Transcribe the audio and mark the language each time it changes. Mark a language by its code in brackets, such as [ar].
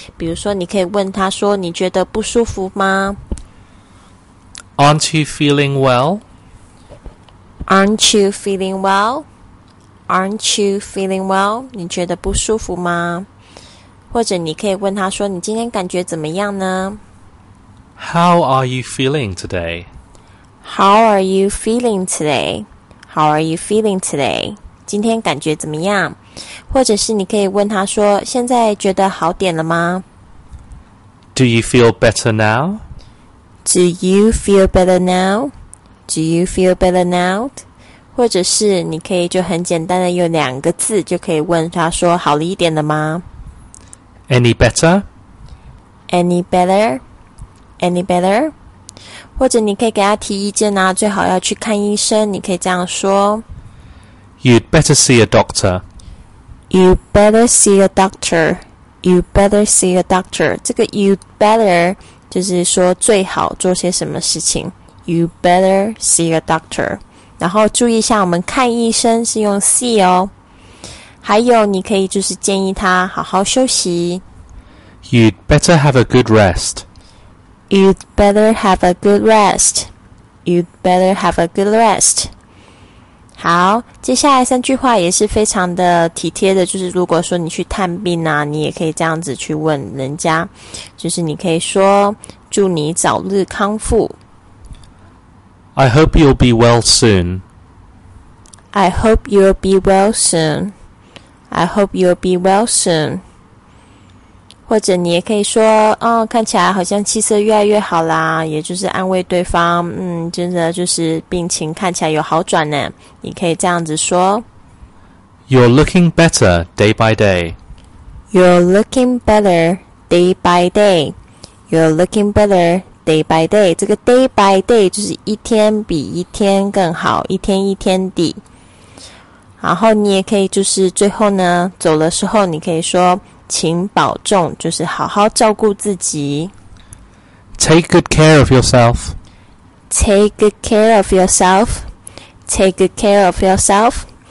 [zh] 比如说你可以问他说，你觉得不舒服吗？ [en] Aren't you feeling well? Aren't you feeling well? Aren't you feeling well? [zh] 你觉得不舒服吗？或者你可以问他说，你今天感觉怎么样呢？ [en] How are you feeling today? How are you feeling today? How are you feeling today? [zh] 今天感觉怎么样？或者是你可以问他说，现在觉得好点了吗？ [en] Do you feel better now? Do you feel better now? Do you feel better now? [zh] 或者是你可以就很简单的有两个字就可以问他说，好了一点了吗？ [en] Any better? Any better? Any better? [zh] 或者你可以给他提意见啊，最好要去看医生，你可以这样说。 [en] You'd better see a doctor. You'd better see a doctor. You'd better see a doctor. [zh] 这个 [en] you'd better [zh] 就是说最好做些什么事情。 [en] You'd better see a doctor. [zh] 然后注意一下，我们看医生是用 see 哦。还有你可以就是建议他好好休息。 [en] You'd better have a good rest. You'd better have a good rest. You'd better have a good rest. [zh] 好，接下来三句话也是非常的体贴的，就是如果说你去探病啊，你也可以这样子去问人家，就是你可以说，祝你早日康复。 [en] I hope you'll be well soon. I hope you'll be well soon. I hope you'll be well soon. [zh] 或者你也可以说，哦，看起来好像气色越来越好啦，也就是安慰对方，嗯，真的就是病情看起来有好转呢。你可以这样子说 [en] ：You're looking better day by day. You're looking better day by day. You're looking better day by day. [zh] 这个 [en] day by day [zh] 就是一天比一天更好，一天一天的。然后你也可以就是最后呢，走的时候你可以说。请保重，就是好好照顾自己。 [en] Take good care of yourself. Take good care of yourself. Take good care of yourself.